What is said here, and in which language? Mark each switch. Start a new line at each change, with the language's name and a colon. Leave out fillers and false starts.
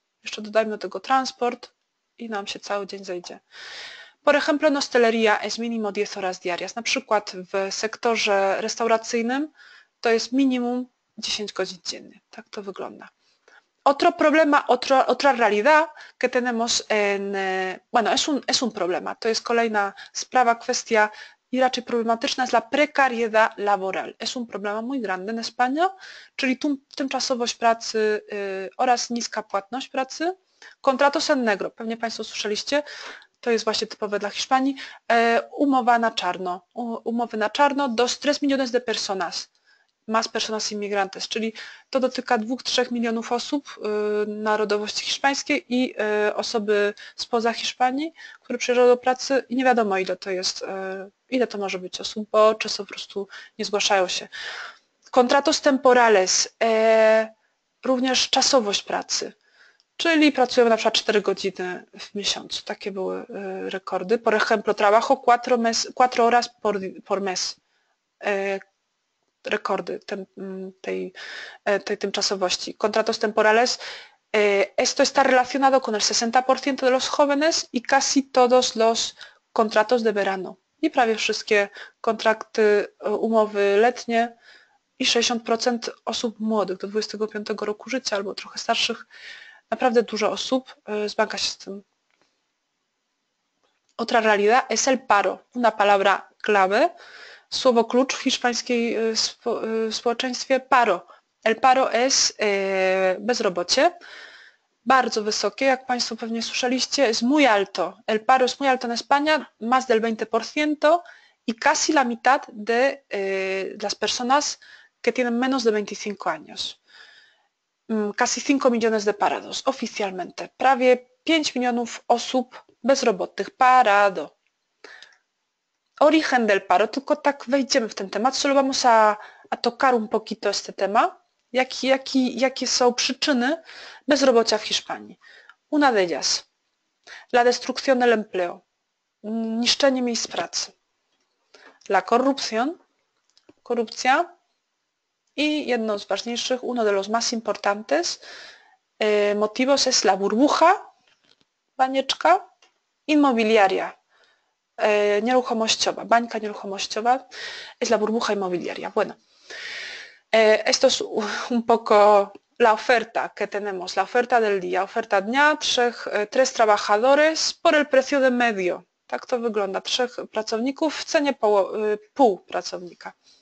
Polish: Jeszcze dodajmy do tego transport i nam się cały dzień zejdzie.
Spanish: Por ejemplo, en hostelería es mínimo 10 horas diarias.
Polish: Na przykład w sektorze restauracyjnym to jest minimum 10 godzin dziennie. Tak to wygląda.
Spanish: Otro problema, otra realidad que tenemos en... Bueno, es un problema.
Polish: To jest kolejna sprawa, kwestia i raczej problematyczna jest
Spanish: la precariedad laboral. Es un problema muy grande en España,
Polish: czyli tymczasowość pracy oraz niska płatność pracy. Contratos en negro, pewnie Państwo słyszeliście, to jest właśnie typowe dla Hiszpanii, umowa na czarno. Umowy na czarno do
Spanish: 3 millones de personas. Mas personas inmigrantes,
Polish: czyli to dotyka 2-3 milionów osób narodowości hiszpańskiej i osoby spoza Hiszpanii, które przyjeżdżają do pracy i nie wiadomo ile to jest, ile to może być osób, bo często po prostu nie zgłaszają się. Contratos temporales, również czasowość pracy, czyli pracujemy na przykład 4 godziny w miesiącu, takie były rekordy.
Spanish: Por ejemplo, trabajo 4 horas por mes.
Polish: Rekordy tej tymczasowości.
Spanish: Contratos temporales, esto está relacionado con el 60% de los jóvenes y casi todos los contratos de verano.
Polish: I prawie wszystkie kontrakty, umowy letnie i 60% osób młodych do 25 roku życia albo trochę starszych. Naprawdę dużo osób zmaga się z tym.
Spanish: Otra realidad es el paro. Una palabra clave.
Polish: Słowo klucz w hiszpańskiej społeczeństwie paro.
Spanish: El paro es
Polish: bezrobocie. Bardzo wysokie, jak Państwo pewnie słyszeliście,
Spanish: es muy alto. El paro es muy alto en España, más del 20% y casi la mitad de las personas que tienen menos de 25 años. Casi 5 millones de parados, oficjalmente.
Polish: Prawie 5 milionów osób bezrobotnych. Parado. Origen del paro, tylko tak wejdziemy w ten temat,
Spanish: solo vamos a tocar un poquito este tema,
Polish: jakie są przyczyny bezrobocia w Hiszpanii.
Spanish: Una de ellas, la destrucción del empleo,
Polish: niszczenie miejsc pracy,
Spanish: la corrupción,
Polish: korupcja i jedno z ważniejszych,
Spanish: uno de los más importantes motivos es la burbuja, banieczka, inmobiliaria.
Polish: Nieruchomościowa, bańka nieruchomościowa
Spanish: es la burbuja inmobiliaria. Bueno, esto es un poco la oferta que tenemos, la oferta del día,
Polish: oferta dnia,
Spanish: tres trabajadores por el precio de medio.
Polish: Tak to wygląda, trzech pracowników w cenie pół pracownika.